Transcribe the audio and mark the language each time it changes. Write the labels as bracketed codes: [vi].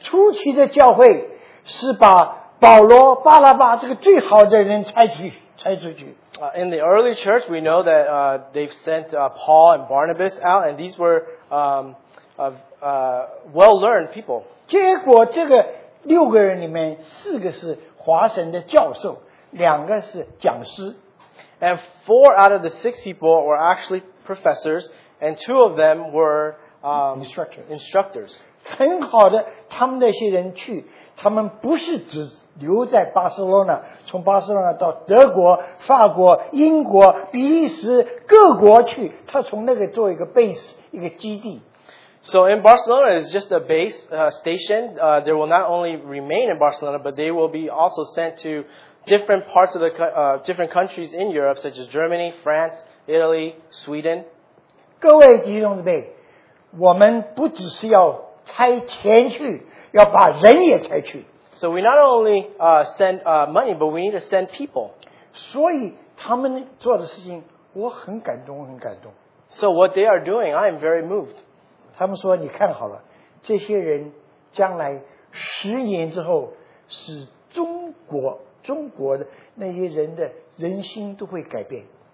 [zh] 初期的教会是把保罗、巴拉巴这个最好的人差去。 [en] In the early church, we know that they've sent Paul and Barnabas out, and these were well-learned people. [zh] 结果这个六个人里面，四个是华神的教授，两个是讲师。 [en] And four out of the six people were actually professors, and two of them were instructors. [zh] 很好的，他们那些人去，他们不是只留在巴塞罗那，从巴塞罗那到德国、法国、英国、比利时各国去，他从那个做一个 base， 一个基地。 [en] So in Barcelona is just a base station. There will not only remain in Barcelona, but they will be also sent to different parts of the different countries in Europe, such as Germany, France, Italy, Sweden. [zh] 各位弟兄姊妹，我们不只是要差钱去，要把人也差去。 [en] So we not only send money, but we need to send people. [zh] 所以他们做的事情，我很感动，很感动。 [en] So what they are doing, I am very moved. [zh] 他们说，你看好了，这些人将来十年之后，使中国的那些人的人心都会改变。